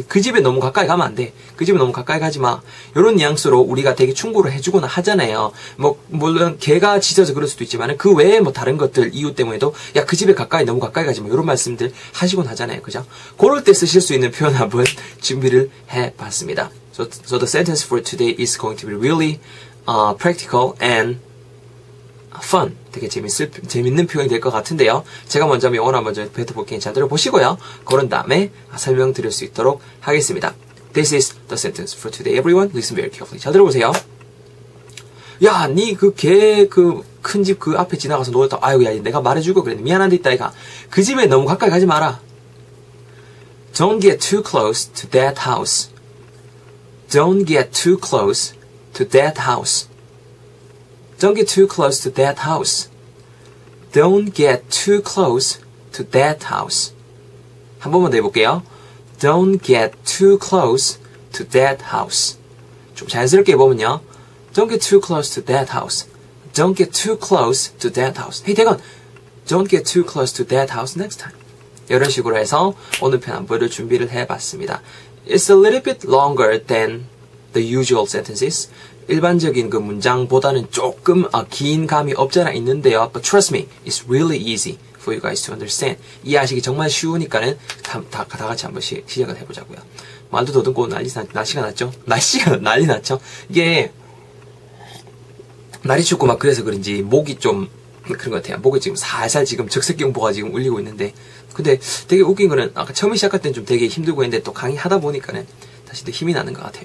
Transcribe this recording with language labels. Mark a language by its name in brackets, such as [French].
[Korean] 그 집에 너무 가까이 가면 안 돼. 그 집에 너무 가까이 가지 마. 요런 뉘앙스로 우리가 되게 충고를 해주거나 하잖아요. 뭐, 물론 개가 짖어서 그럴 수도 있지만, 그 외에 뭐 다른 것들, 이유 때문에도, 야, 그 집에 가까이 너무 가까이 가지 마. 요런 말씀들 하시곤 하잖아요. 그죠? 그럴 때 쓰실 수 있는 표현 한번 준비를 해봤습니다. [English] So the sentence for today is going to be really, practical and fun. [Korean] 되게 재밌는 표현이 될 것 같은데요. 제가 먼저 영어 한번 좀 뱉어볼게요. 잘 들어보시고요. 그런 다음에 설명드릴 수 있도록 하겠습니다. [English] This is the sentence for today, everyone. Listen very carefully. [Korean] 잘 들어보세요. 야, 니 그 개 그 큰 집 그 앞에 지나가서 놀다. 아이고, 야, 내가 말해줄 거 그랬네. 미안한데 있다, 이가. 그 집에 너무 가까이 가지 마라. [English] Don't get too close to that house. Don't get too close to that house. Don't get too close to that house. Don't get too close to that house. [Korean] 한 번만 더 해볼게요. [English] Don't get too close to that house. [Korean] 좀 자연스럽게 해보면요. [English] Don't get too close to that house. Don't get too close to that house. Hey, 대건! Don't get too close to that house next time. [Korean] 이런 식으로 해서 오늘 편 한번 준비를 해봤습니다. [English] It's a little bit longer than the usual sentences. [Korean] 일반적인 그 문장보다는 조금 긴 감이 없잖아 있는데요. [English] But trust me, it's really easy for you guys to understand. [Korean] 이해하시기 정말 쉬우니까는 다 같이 한번 시작을 해보자고요. 말도 더듬고 날씨가 났죠? 날씨가 난리 났죠? 이게 날이 춥고 막 그래서 그런지 목이 좀 그런 것 같아요. 목이 지금 살살 지금 적색경보가 지금 울리고 있는데 근데 되게 웃긴 거는 아까 처음에 시작할 땐 좀 되게 힘들고 했는데 또 강의하다 보니까는 다시 또 힘이 나는 것 같아요.